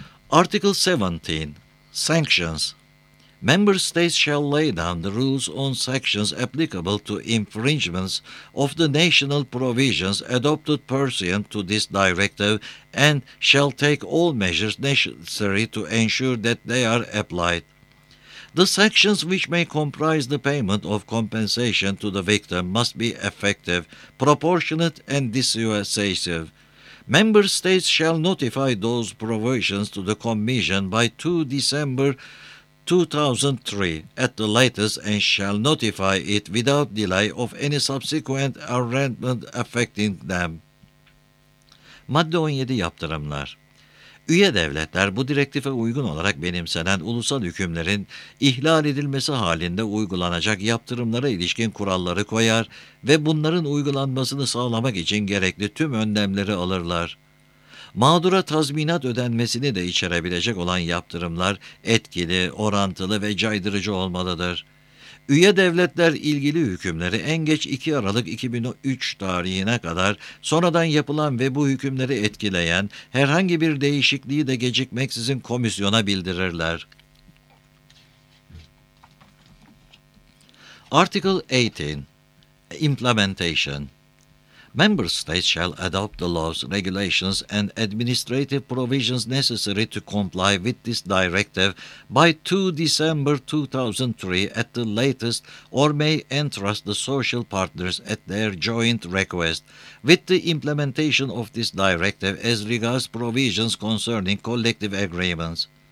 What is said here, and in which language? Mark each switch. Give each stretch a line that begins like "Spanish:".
English: Article 17. Sanctions. Member states shall lay down the rules on sanctions applicable to infringements of the national provisions adopted pursuant to this directive and shall take all measures necessary to ensure that they are applied. The sanctions which may comprise the payment of compensation to the victim must be effective, proportionate, and dissuasive. Member states shall notify those provisions to the Commission by 2 December 2003 at the latest and shall notify it without delay of any subsequent arrangement affecting them.
Turkish: Madde 17 Yaptırımlar Üye devletler bu direktife uygun olarak benimsenen ulusal hükümlerin ihlal edilmesi halinde uygulanacak yaptırımlara ilişkin kuralları koyar ve bunların uygulanmasını sağlamak için gerekli tüm önlemleri alırlar. Mağdura tazminat ödenmesini de içerebilecek olan yaptırımlar etkili, orantılı ve caydırıcı olmalıdır. Üye devletler ilgili hükümleri en geç 2 Aralık 2003 tarihine kadar sonradan yapılan ve bu hükümleri etkileyen herhangi bir değişikliği de gecikmeksizin komisyona bildirirler.
English: Article 18 Implementation Member states shall adopt the laws, regulations, and administrative provisions necessary to comply with this directive by 2 December 2003 at the latest, or may entrust the social partners at their joint request with the implementation of this directive as regards provisions concerning collective agreements.